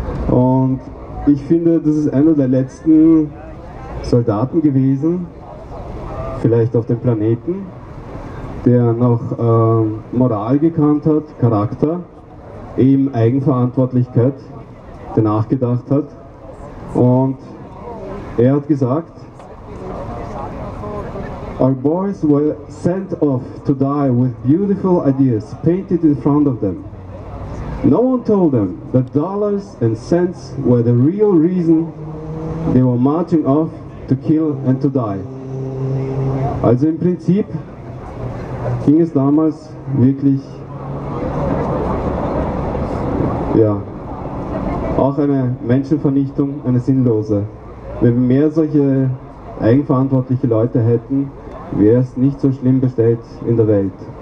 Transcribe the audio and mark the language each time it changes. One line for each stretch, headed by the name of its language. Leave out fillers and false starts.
German: Und ich finde, das ist einer der letzten Soldaten gewesen, vielleicht auf dem Planeten, der noch Moral gekannt hat, Charakter, eben Eigenverantwortlichkeit, der nachgedacht hat. Und er hat gesagt,
English: our boys were sent off to die with beautiful ideas painted in front of them. No one told them that dollars and cents were the real reason they were marching off to kill and to die.
German: Also im Prinzip ging es damals wirklich, ja, auch eine Menschenvernichtung, eine sinnlose. Wenn wir mehr solche eigenverantwortliche Leute hätten, wäre es nicht so schlimm bestellt in der Welt.